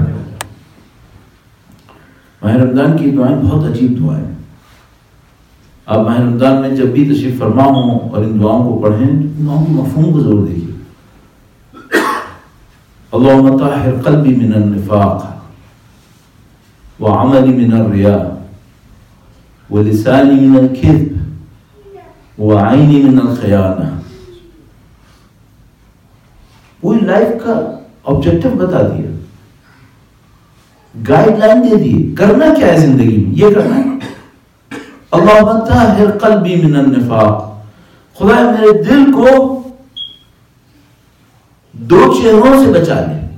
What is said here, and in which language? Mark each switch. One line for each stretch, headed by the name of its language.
Urdu: ماہ رمضان کی دعائیں بہت عجیب دعائیں، آپ ماہ رمضان میں جب بھی تشریف فرما ہوں اور ان دعاؤں کو پڑھیں، ان دعاؤں کے مفہوم کو ضرور دیکھیے.
Arabic: اللهم طهر قلبي من النفاق وعملي من الرياء ولساني من الكذب وعيني من الخيانة.
Urdu: وہ لائف کا آبجیکٹو بتا دیا، گائڈ لائن دے دی، کرنا کیا ہے زندگی میں، یہ کرنا ہے.
Arabic: اللهم طهر قلبي من النفاق،
Urdu: خدا میرے دل کو دو چہروں سے بچا لے.